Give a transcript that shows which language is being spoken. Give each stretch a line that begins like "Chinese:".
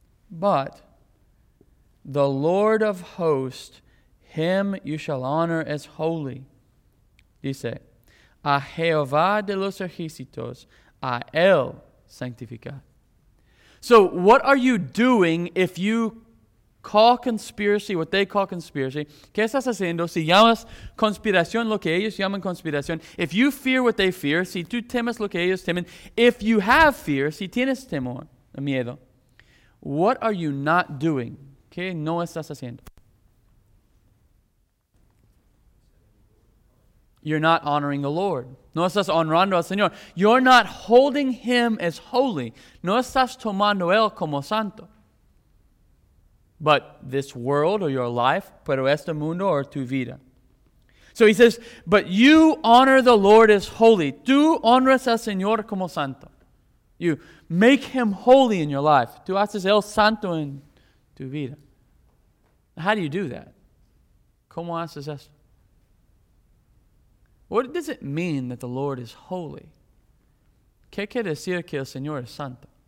English: But the Lord of hosts, him you shall honor as holy.
Spanish: Dice, a Jehová de los ejércitos, a él sanctificar.
English: So what are you doing if you call conspiracy, what they call conspiracy?
Spanish: ¿Qué estás haciendo si llamas conspiración lo que ellos llaman conspiración?
English: If you fear what they fear,
Spanish: si tú temes lo que ellos temen,
English: if you have fear,
Spanish: si tienes temor, miedo,
English: what are you not doing?
Spanish: ¿Qué no estás haciendo?
English: You're not honoring the Lord.
Spanish: No estás honrando al Señor.
English: You're not holding him as holy.
Spanish: No estás tomando él como santo.
English: But this world or your life,
Spanish: pero este mundo or tu vida.
English: So he says, but you honor the Lord as holy.
Spanish: Tú honras al Señor como santo.
English: You make him holy in your life.
Spanish: Tú haces él santo en tu vida.
English: How do you do that?
Spanish: ¿Cómo haces esto?
English: What does it mean that the Lord is holy?
Spanish: ¿Qué quiere decir que el Señor es santo?